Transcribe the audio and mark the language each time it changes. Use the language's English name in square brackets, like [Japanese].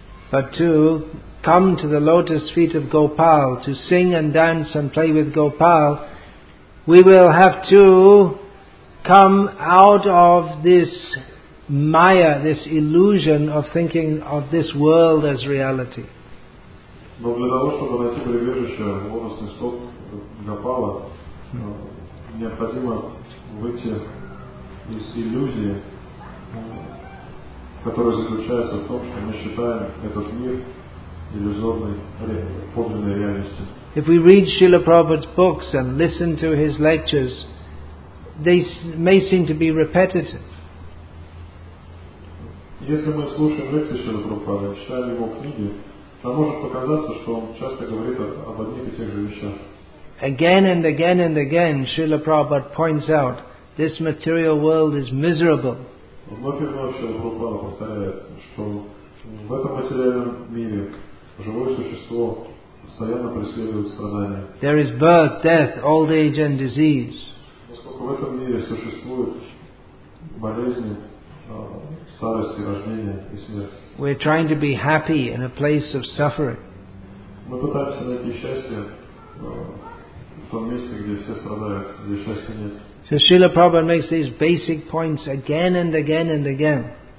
[English] But to come to the lotus feet of Gopal, to sing and dance and play with Gopal, we will have to come out of this maya, this illusion of thinking of this world as reality. But [Russian] для того, чтобы найти прибежище в лотосный стоп Гопала, необходимо выйти из иллюзии, которая заключается в том, что мы считаем этот мир иллюзорной, подлинной реальностью. [English] If we read Srila Prabhupada's books and listen to his lectures, they may seem to be repetitive. [Russian] Если мы слушаем лекции Шрила Прабхупады, читаем его книги, нам может показаться, что он часто говорит об одних и тех же вещах. [English] Again and again and again, Srila Prabhupada points out, this material world is miserable. [Russian] Вновь и вновь Шрила Прабхупада повторяет, что в этом материальном мире живое существо постоянно преследует страдания. [English] There is birth, death, old age and disease. [Russian] Поскольку в этом мире существуют болезни, старость, рождение и смерть. [English] We're trying to be happy in a place of suffering. [Russian] Мы пытаемся найти счастье в том месте, где все страдают, где счастья нет. [English] So Srila Prabhupada makes these basic points again and again and again.